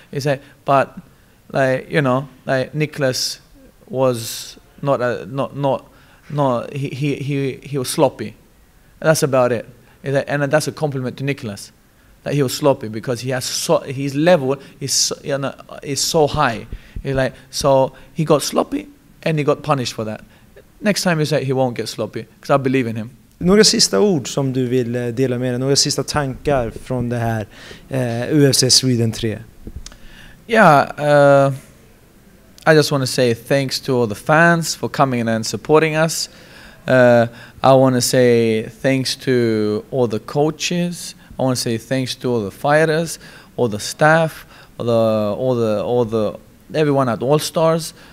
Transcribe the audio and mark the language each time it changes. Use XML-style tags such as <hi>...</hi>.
<en>Is that, but like, you know, like Nicholas was not a, not he was sloppy. That's about it. Is that, and that's a compliment to Nicholas, that he was sloppy because he has so, his level is so, you know, is so high. He's like, so he got sloppy and he got punished for that. Next time you say he won't get sloppy, because I believe in him.</en> <sv>Några sista ord som du vill dela med dig, några sista tankar från det här UFC Sweden 3.</sv> <en>Yeah, I just want to say thanks to all the fans for coming in and supporting us. I want to say thanks to all the coaches. I want to say thanks to all the fighters, all the staff, all the everyone at Allstars.</en>